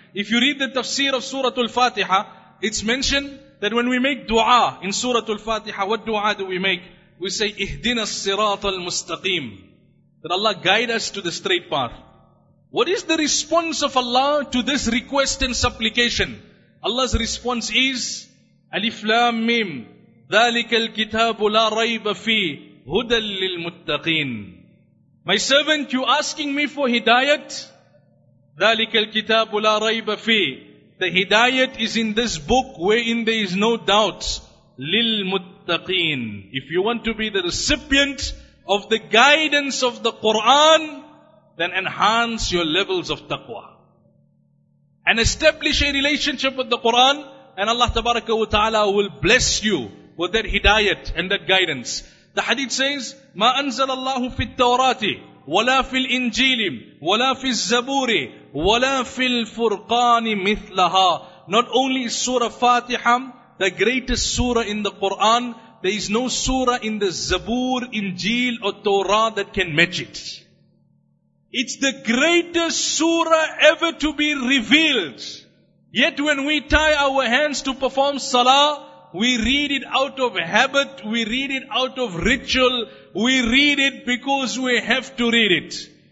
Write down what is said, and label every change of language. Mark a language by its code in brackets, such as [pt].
[en] If you read the tafsir of Surah Al-Fatiha, it's mentioned that when we make dua in Surah Al-Fatiha, what dua do we make? We say, [ar] Ihdina Sirat al-Mustaqim. [en] That Allah guide us to the straight path. What is the response of Allah to this request and supplication? Allah's response is, [ar] Alif Lam Mim, ذَلِكَ الْكِتَابُ لَا رَيْبَ فِيهِ هُدًى لِلْمُتَّقِينَ. [en] My servant, you asking me for hidayat? [ar] ذَلِكَ الْكِتَابُ لَا رَيْبَ فِيهِ. [en] The hidayat is in this book wherein there is no doubt. [ar] لِلْمُتَّقِينَ. [en] If you want to be the recipient of the guidance of the Quran, then enhance your levels of taqwa. And establish a relationship with the Quran, and Allah tabaraka wa ta'ala will bless you with that hidayat and that guidance. The hadith says, [ar] مَا أَنزَلَ اللَّهُ فِي التَّوْرَاتِ وَلَا فِي الْإِنْجِيلِ وَلَا فِي الزَّبُورِ وَلَا فِي الْفُرْقَانِ مِثْلَهَا. [en] Not only is Surah Fatiha the greatest surah in the Quran, there is no surah in the Zabur, Injil or Torah that can match it. It's the greatest surah ever to be revealed. Yet when we tie our hands to perform salah, we read it out of habit, we read it out of ritual, we read it because we have to read it.